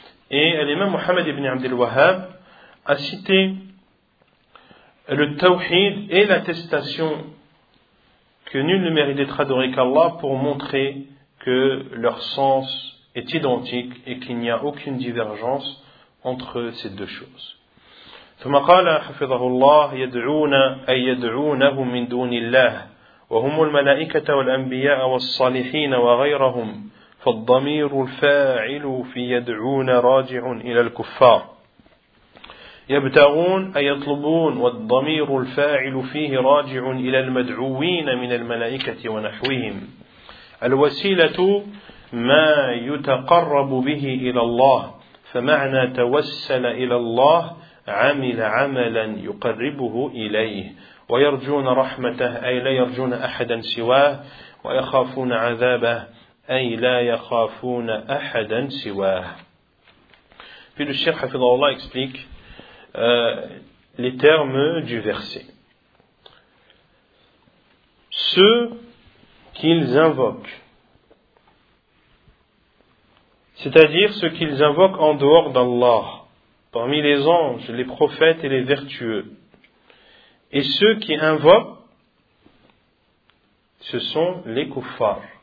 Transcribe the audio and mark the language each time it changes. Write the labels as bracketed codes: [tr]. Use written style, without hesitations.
[fr] Et l'imam Muhammad ibn Abdel Wahhab a cité le tawhid et l'attestation que nul ne mérite d'être adoré qu'Allah pour montrer que leur sens est identique et qu'il n'y a aucune divergence entre ces deux choses. [ar] ثم قال حفظه الله يدعون أي يدعونه من دون الله وهم الملائكة والأنبياء والصالحين وغيرهم فالضمير الفاعل في يدعون راجع إلى الكفار يبتغون أي يطلبون والضمير الفاعل فيه راجع إلى المدعوين من الملائكة ونحوهم الوسيلة ما يتقرب به إلى الله فمعنى توسل إلى الله عمل عملا يقربه إليه ويرجون رحمته أي لا يرجون أحدا سواه ويخافون عذابه أي لا يخافون أحدا سواه. [fr] Puis le Cheikh Hafidhahullah explique les termes du verset. Ceux qu'ils invoquent, c'est-à-dire ceux qu'ils invoquent en dehors d'Allah, parmi les anges, les prophètes et les vertueux, et ceux qui invoquent, ce sont les kuffars.